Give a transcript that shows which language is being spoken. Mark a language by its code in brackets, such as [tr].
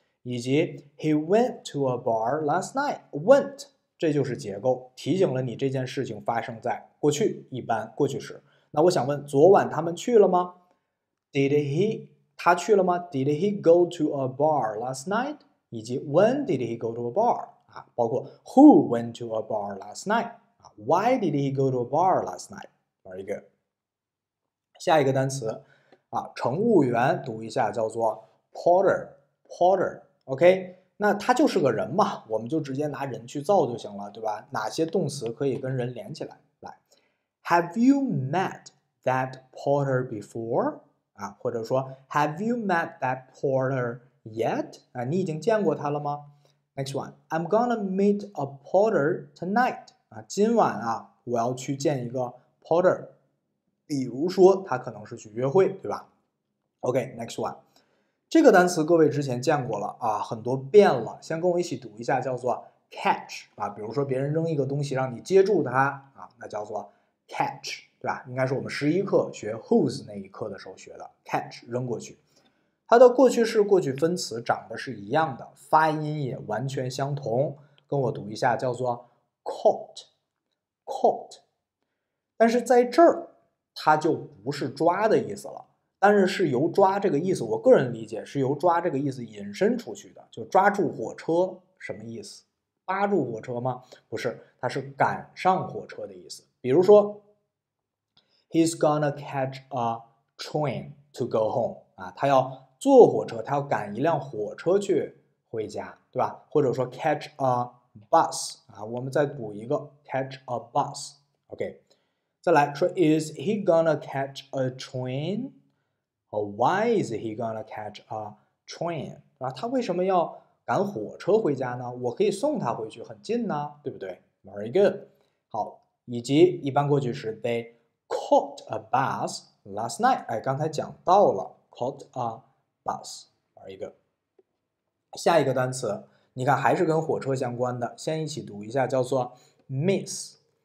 [zh] 以及 [en] he went to a bar last night， [zh] went 这就是结构，提醒了你这件事情发生在过去，一般过去时。那我想问，昨晚他们去了吗？Did he 他去了吗？ [en] Did he go to a bar last night？以及 When did he go to a bar？ 啊，包括 Who went to a bar last night？啊，Why did he go to a bar last night？Very good。 [zh] 下一个单词啊，乘务员读一下叫做 porter，OK，那他就是个人嘛，我们就直接拿人去造就行了，对吧？哪些动词可以跟人连起来？来， [en] Have you met that porter before？啊， [zh] 或者说 [en] Have you met that porter yet？啊， [zh] 你已经见过他了吗？ [en] Next one，I'm gonna meet a porter tonight。 [zh] 啊，今晚啊，我要去见一个 porter。比如说，他可能是去约会，对吧？ [en] OK，next one， [zh] 这个单词各位之前见过了啊，很多遍了，先跟我一起读一下，叫做 catch 啊。比如说，别人扔一个东西让你接住它啊，那叫做 catch，对吧？应该是我们11课学 whose 那一课的时候学的 catch 扔过去。它的过去式、过去分词长得是一样的，发音也完全相同。跟我读一下，叫做 caught，但是在这儿。它就不是抓的意思了，但是是由抓这个意思，我个人理解是由抓这个意思引申出去的，就抓住火车什么意思？扒住火车吗？不是，它是赶上火车的意思。比如说， [en] He's gonna catch a train to go home [zh] 啊，他要坐火车，他要赶一辆火车去回家，对吧？或者说 [en] catch a bus [zh] 啊，我们再补一个 catch a bus，OK。 [en] 再来说，Is he gonna catch a train？ Why is he gonna catch a train？ [zh] 啊，他为什么要赶火车回家呢？我可以送他回去，很近呢，对不对？ [en] Very good。好， [zh] 以及一般过去时， [en] They caught a bus last night。 [zh] 哎，刚才讲到了， [en] caught a bus。 Very good。 [zh] 下一个单词，你看还是跟火车相关的，先一起读一下，叫做 miss。